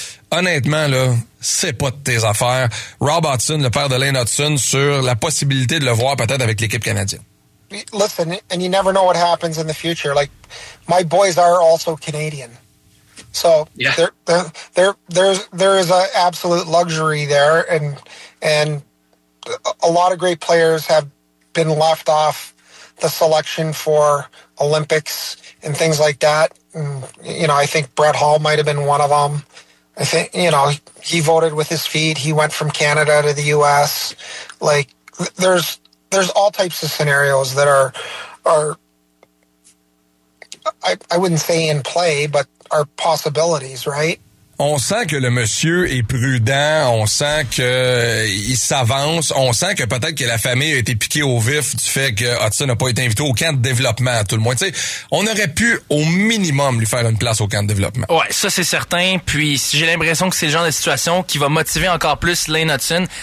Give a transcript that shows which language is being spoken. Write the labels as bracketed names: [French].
[French] Honnêtement, là, c'est pas de tes affaires. Rob Hudson, le père de Lane Hudson, sur la possibilité de le voir peut-être avec l'équipe canadienne. [English] Listen, and you never know what happens in the future. Like, my boys are also Canadian. So, yeah. there's an absolute luxury there, and a lot of great players have been left off the selection for Olympics and things like that. And, you know, I think Brett Hall might have been one of them. I think, you know, he voted with his feet. He went from Canada to the U.S. Like, there's all types of scenarios that are, I wouldn't say in play, but are possibilities, right? [French] On sent que le monsieur est prudent, on sent que il s'avance, on sent que peut-être que la famille a été piquée au vif du fait que Hudson n'a pas été invité au camp de développement, tout le moins. Tu sais, on aurait pu au minimum lui faire une place au camp de développement. Ouais, ça c'est certain. Puis j'ai l'impression que c'est le genre de situation qui va motiver encore plus Lane Hudson.